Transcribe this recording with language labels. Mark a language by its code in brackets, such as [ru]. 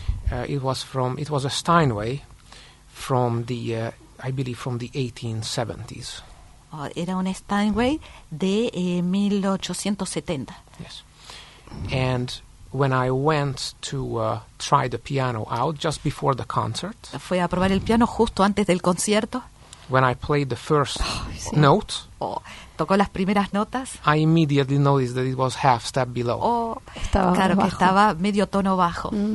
[es] It was a Steinway from the, I believe, from the 1870s. Era un Steinway de 1870. [en] Yes. And when I went to try the piano out just before the concert, [es] fue a probar el piano justo antes del concierto. [en] When I played the first note, [es] tocó las primeras notas. [en] I immediately noticed that it was half step below. [es] Estaba claro bajo. Que estaba medio tono bajo.